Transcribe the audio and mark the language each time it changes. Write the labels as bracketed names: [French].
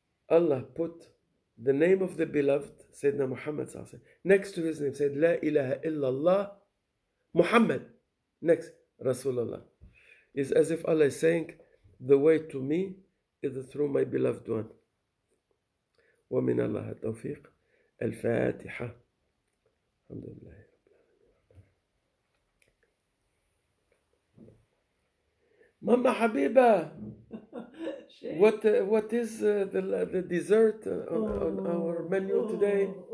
[English] Allah put the name of the beloved, Sayyidina Muhammad, next to his name, said la ilaha illallah Muhammad. Next, Rasulullah. It's as if Allah is saying, the way to me is through my beloved one. [Arabic] ومن الله التوفيق الفاتحة الحمد لله رب العالمين. ماما حبيبة. [English] What is the dessert on our menu today?